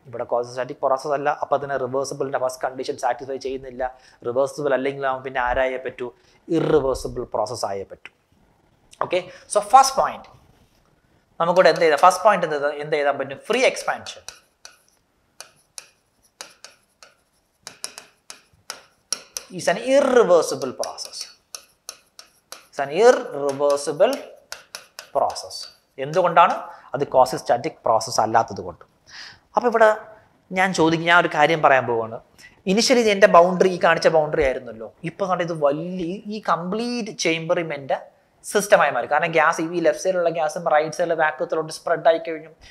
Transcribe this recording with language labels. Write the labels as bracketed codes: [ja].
[ml] ഇവിടെ quasi static process അല്ല, അപ്പോൾ തന്നെ റിവേഴ്സിബിളിൻ്റെ ഫസ്റ്റ് കണ്ടീഷൻ സാറ്റിസ്ഫൈ ചെയ്യുന്നില്ല, റിവേഴ്സിബിൾ അല്ലെങ്കിലാവും പിന്നെ ആരായേ പറ്റൂ, ഇറിവേഴ്സിബിൾ പ്രോസസ്സ് ആയേ പറ്റൂ. ഓക്കെ, സോ ഫസ്റ്റ് പോയിന്റ് നമുക്കിവിടെ എന്ത് ചെയ്താൽ, ഫസ്റ്റ് പോയിന്റ് എന്ത് ചെയ്താൽ പറ്റും, free expansion. [en] It's an irreversible process. It's an irreversible process. [ml] എന്തുകൊണ്ടാണ്? അത് ക്വാസി സ്റ്റാറ്റിക് പ്രോസസ്സ് അല്ലാത്തത് കൊണ്ട്. അപ്പോൾ ഇവിടെ ഞാൻ ചോദിക്കും, ഞാൻ ഒരു കാര്യം പറയാൻ പോവാണ്. ഇനിഷ്യലി ഇത് എൻ്റെ ബൗണ്ടറി, ഈ കാണിച്ച ബൗണ്ടറി ആയിരുന്നല്ലോ. ഇപ്പോൾ കണ്ടത് വലിയ ഈ കംപ്ലീറ്റ് ചേംബറും എൻ്റെ സിസ്റ്റമായി മാറി. കാരണം ഗ്യാസ് ഈ ലെഫ്റ്റ് സൈഡിലുള്ള ഗ്യാസും റൈറ്റ് സൈഡിലെ വാക്വത്തിലോട്ട് സ്പ്രെഡായി കഴിഞ്ഞു.